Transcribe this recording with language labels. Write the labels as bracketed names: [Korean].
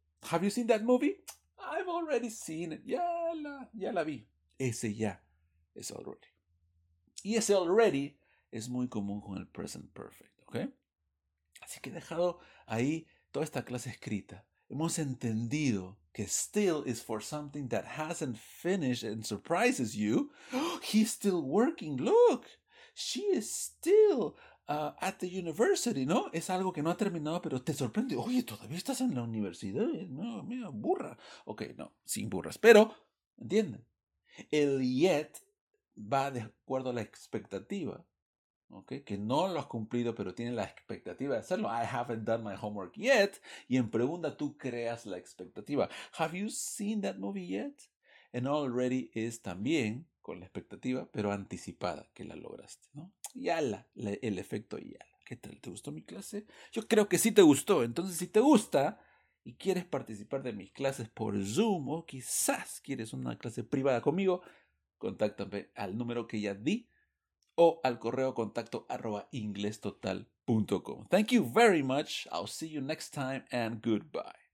[English] Have you seen that movie? I've already seen it. [Spanish] Ya la vi. Ese ya es already. Y ese already es muy común con el present perfect, ¿ok? Así que he dejado ahí toda esta clase escrita. Hemos entendido que [English] still is for something that hasn't finished and surprises you. He's still working. Look, she is still at the university, ¿no? [Spanish] Es algo que no ha terminado, pero te sorprende. Oye, todavía estás en la universidad. No, mira, burra. Ok, no, sin burras. Pero, ¿entienden? El yet va de acuerdo a la expectativa. Okay, que no lo has cumplido, pero tienes la expectativa de hacerlo. [English] I haven't done my homework yet. [Spanish] Y en pregunta tú creas la expectativa. [English] Have you seen that movie yet? And already is [Spanish] también con la expectativa, pero anticipada que la lograste, ¿no? Yala, el efecto yala. ¿Qué tal? ¿Te gustó mi clase? Yo creo que sí te gustó. Entonces, si te gusta y quieres participar de mis clases por Zoom o quizás quieres una clase privada conmigo, contáctame al número que ya di. O al correo contacto [English] @inglestotal.com. Thank you very much. I'll see you next time and goodbye.